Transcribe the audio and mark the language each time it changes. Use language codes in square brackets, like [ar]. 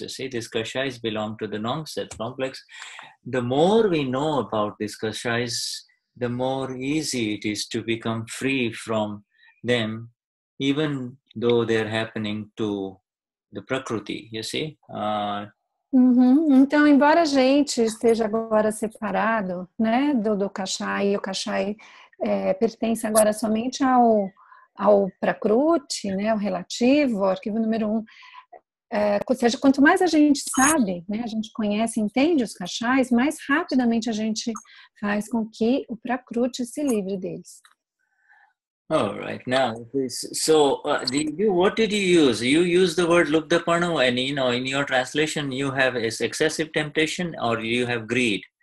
[en] You see, these kashais belong to the non-self complex. The more we know about these kashais, the more easy it is to become free from them, even though they're happening to the prakriti, you see? [pt] Então, embora a gente esteja agora separado, né, do kashai, o kashai pertence agora somente ao prakruti, né, o relativo, o arquivo número um. Ou seja, quanto mais a gente sabe, né, a gente conhece, entende os kashais, mais rapidamente a gente faz com que o prakruti se livre deles. [en] All right, now, so, what did you use? You used the word lubdhapanoo, and you know, in your translation, you have excessive temptation or you have greed?